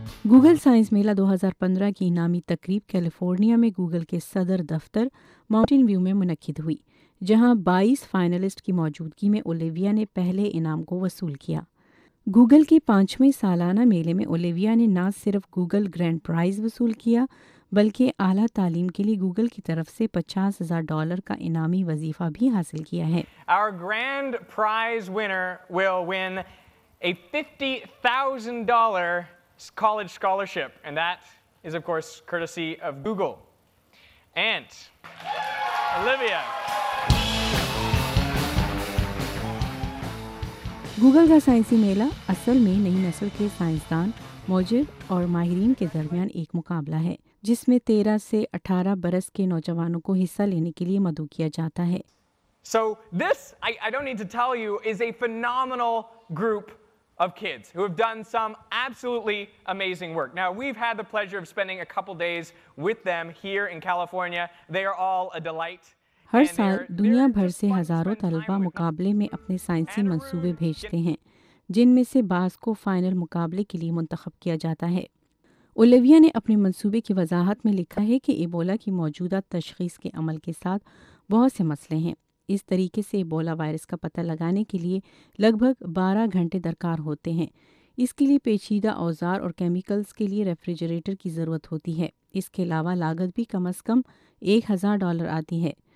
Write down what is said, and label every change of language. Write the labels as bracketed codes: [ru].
[ur] Google science میلا 2015 کی انعامی تقریب کیلیفورنیا میں گوگل کے صدر دفتر ماؤنٹین ویو میں منعقد ہوئی، جہاں 22 فائنلسٹ کی موجودگی میں اولیویا نے پہلے انعام کو وصول کیا۔ گوگل کے پانچویں سالانہ میلے میں اولیویا نے نہ صرف گوگل گرینڈ پرائز وصول کیا بلکہ اعلیٰ تعلیم کے لیے گوگل کی طرف سے $50,000 کا انعامی وظیفہ بھی حاصل کیا ہے۔ [en] Our grand prize winner will win a $50,000 college scholarship, and that is of course courtesy of Google. And Olivia. [ur] Google کا سائنسی میلہ اصل میں نئی نسل کے سائنسدان، موجب اور ماہرین کے درمیان ایک مقابلہ ہے جس میں 13 سے 18 برس کے نوجوانوں کو حصہ لینے کے لیے مدعو کیا جاتا ہے۔ [en] So this, I don't need to tell you, is a phenomenal group of kids who have done some absolutely amazing work. Now, we've had the pleasure of spending a couple days with them here in California. They are all a delight. [ur] ہر سال دنیا بھر سے ہزاروں طلبہ مقابلے میں اپنے سائنسی منصوبے بھیجتے ہیں، جن میں سے بعض کو فائنل مقابلے کے لیے منتخب کیا جاتا ہے۔ اولیویا نے اپنے منصوبے کی وضاحت میں لکھا ہے کہ ایبولا کی موجودہ تشخیص کے عمل کے ساتھ بہت سے مسئلے ہیں۔ اس طریقے سے ایبولا وائرس کا پتہ لگانے کے لیے لگ بھگ 12 گھنٹے درکار ہوتے ہیں۔ اس کے لیے پیچیدہ اوزار اور کیمیکلز کے لیے ریفریجریٹر کی ضرورت ہوتی ہے۔ اس کے علاوہ لاگت بھی کم از کم $1,000 آتی ہے۔